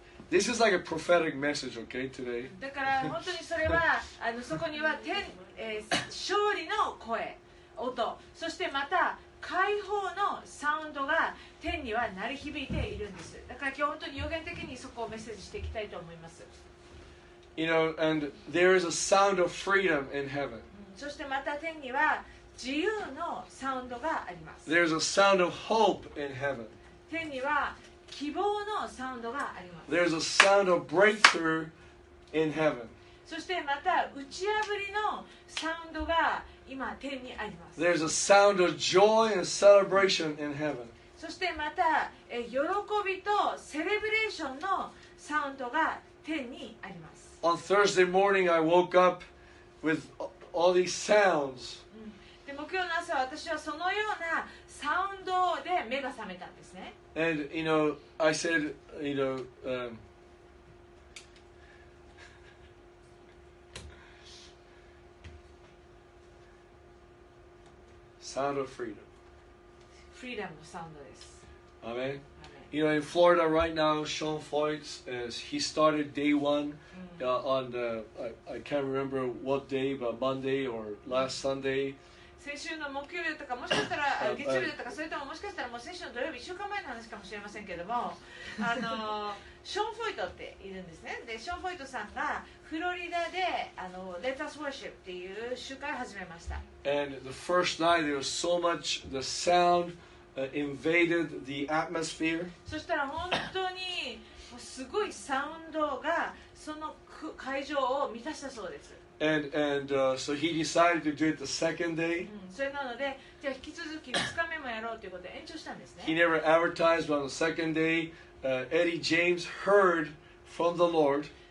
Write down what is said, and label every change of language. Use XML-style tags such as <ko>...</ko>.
<en>This is like a prophetic message, okay, today.</en> <ja>だから本当にそれはあのそこには天、勝利の声、音、そしてまた解放のサウンドが天には鳴り響いているんです。だから今日本当に予言的にそこをメッセージしていきたいと思います。</ja> <en>You know, and there is a sound of freedom in heaven.</en> <ja>そしてまた天には自由のサウンドがあります。</ja> <en>There's a sound of hope in heaven.</en> <ja>天には希望のサウンドがあります。</ja> <en>There's a sound of breakthrough in heaven.</en> <ja>そしてまた打ち破りのサウンドが今天にあります。</ja> <en>There's a sound of joy and celebration in heaven.</en> <ja>そしてまた喜びとセレブレーションのサウンドが天にあります。</ja> <en>On Thursday morning, I woke up with all these sounds.</en> <ja>で、木曜の朝、私はそのようなサウンドで目が覚めたんですね。</ja> <en>And you know, I said, you know, sound of freedom. Freedom</en> <ja>のサウンドです。</ja> <en>Amen. You know, in Florida right now, Sean Foyts, he started day one、on the, I can't remember what day, but Monday or last Sunday.</en> <ja>先週の木曜日だったかもしかしたら月曜日だったかそれとももしかしたらもう先週の土曜日1週間前の話かもしれませんけどもあのショーン・フォイトっているんですねでショーン・フォイトさんがフロリダであの Let Us Worship っていう集会を始めました</ja> <en>And the first night there was so much the sound invaded the atmosphere</en> <ja>そしたら本当にすごいサウンドがその会場を満たしたそうです</ja> <en>And so he decided to do it the second day. He never advertised, but on the second day, Eddie James heard from the Lord.</en>